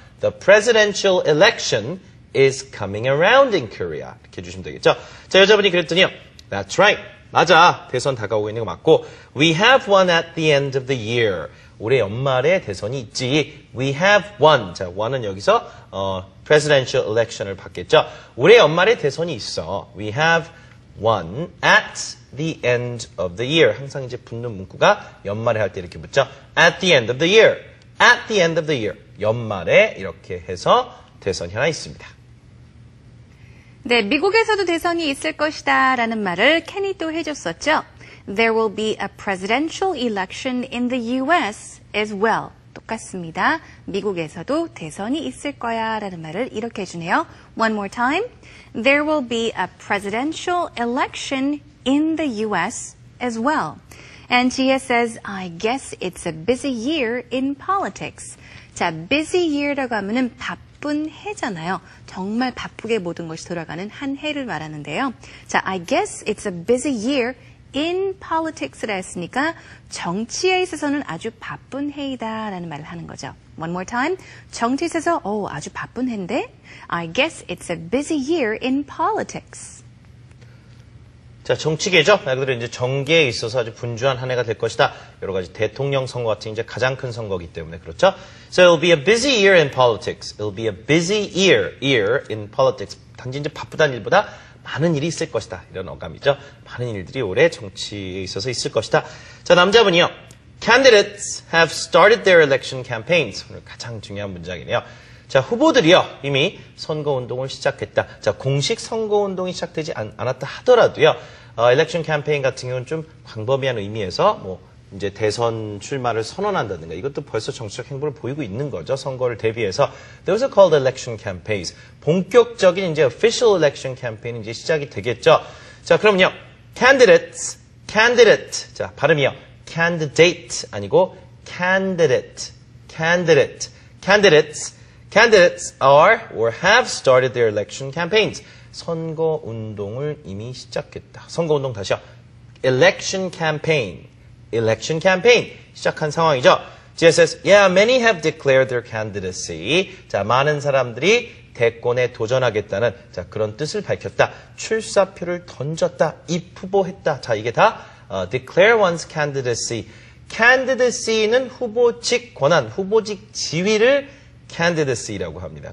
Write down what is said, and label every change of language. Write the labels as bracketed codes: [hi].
[en] The presidential election is coming around in Korea. [ko] 이렇게 해주시면 되겠죠. 자, 여자분이 그랬더니요. [en] That's right. [ko] 맞아. 대선 다가오고 있는 거 맞고. [en] We have one at the end of the year. [ko] 올해 연말에 대선이 있지. [en] We have one. [ko] 자, one은 여기서 presidential election을 받겠죠. 올해 연말에 대선이 있어. [en] We have one at the end of the year. [ko] 항상 이제 붙는 문구가 연말에 할 때 이렇게 붙죠. [en] At the end of the year. At the end of the year. [ko] 연말에 이렇게 해서 대선이 하나 있습니다. 네, 미국에서도 대선이 있을 것이다 라는 말을 케니 또 해줬었죠. [en] There will be a presidential election in the U.S. as well. [ko] 똑같습니다. 미국에서도 대선이 있을 거야 라는 말을 이렇게 해주네요. [en] One more time. There will be a presidential election in the U.S. as well. And Gia says, I guess it's a busy year in politics. [ko] 자, busy year라고 하면은 바쁜 해잖아요. 정말 바쁘게 모든 것이 돌아가는 한 해를 말하는데요. 자, [en] I guess it's a busy year in politics [ko] 라 했으니까 정치에 있어서는 아주 바쁜 해이다라는 말을 하는 거죠. [en] One more time. [ko] 정치에 있어서 아주 바쁜 해인데? [en] I guess it's a busy year in politics. [ko] 자, 정치계죠. 말 그대로 이제 정계에 있어서 아주 분주한 한 해가 될 것이다. 여러 가지 대통령 선거 같은 이제 가장 큰 선거이기 때문에 그렇죠. [en] So it'll be a busy year in politics. It'll be a busy year, in politics. [ko] 단지 이제 바쁘다는 일보다 많은 일이 있을 것이다. 이런 어감이죠. 많은 일들이 올해 정치에 있어서 있을 것이다. 자, 남자분이요. [en] Candidates have started their election campaigns. [ko] 오늘 가장 중요한 문장이네요. 자, 후보들이요. 이미 선거운동을 시작했다. 자, 공식 선거운동이 시작되지 않았다 하더라도요. Election campaign 같은 경우는 좀 광범위한 의미에서 뭐 이제 대선 출마를 선언한다든가 이것도 벌써 정치적 행보를 보이고 있는 거죠. 선거를 대비해서. [en] Those are called election campaigns. [ko] 본격적인 이제 official election campaign이 이제 시작이 되겠죠. 자, 그럼요. [en] Candidates, candidate. [ko] 자, 발음이요. [en] Candidate 아니고 candidate, candidate, candidates. Candidates are or have started their election campaigns. [ko] 선거운동을 이미 시작했다. 선거운동 다시요. Election campaign. Election campaign. 시작한 상황이죠. [en] Gia says, yeah, many have declared their candidacy. [ko] 자, 많은 사람들이 대권에 도전하겠다는 자, 그런 뜻을 밝혔다. 출사표를 던졌다. 입후보했다. 자, 이게 다 declare one's candidacy. Candidacy는 후보직 권한, 후보직 지위를 candidacy라고 합니다.